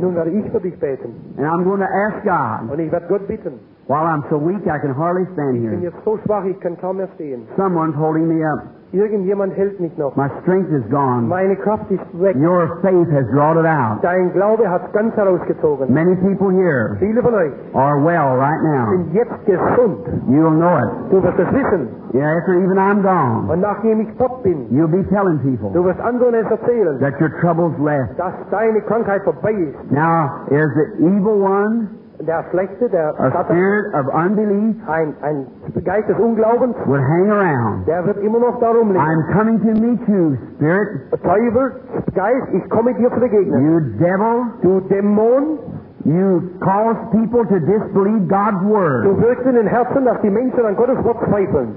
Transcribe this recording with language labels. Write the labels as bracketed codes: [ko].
[de] Nun werde ich für dich beten. [en] And I'm going to ask God. [de] Und ich werde Gott bitten. [en] While I'm so weak, I can hardly stand here. [de] Ich bin jetzt so schwach, ich kann kaum mehr stehen. [en] Someone's holding me up. [de] Irgendjemand hält mich noch. [en] My strength is gone. [de] Meine Kraft ist weg. [en] Your faith has drawn it out. [de] Dein Glaube hat ganz herausgezogen. [en] Many people here [de] viele von euch [en] are well right now. [de] Sind jetzt gesund. [en] You'll know it. [de] Du wirst es wissen. [en] Yeah, after even I'm gone. [de] Und nachdem ich tot bin, [en] you'll be telling people. [de] Du wirst anderen es erzählen. [en] That your troubles left. [de] Dass deine Krankheit vorbei ist. [en] Now, is the evil one [de] der schlechte, der [en] a spirit of unbelief [de] ein Geist des Unglaubens [en] will hang around. [de] Der wird immer noch da rumliegen. [en] I'm coming to meet you, spirit. [de] Teufel, Geist, ich komme dir zu begegnen. [en] You devil. [de] Du Dämon. [en] You cause people to disbelieve God's word. [de] Du wirkst in den Herzen, dass die Menschen an Gottes Wort zweifeln.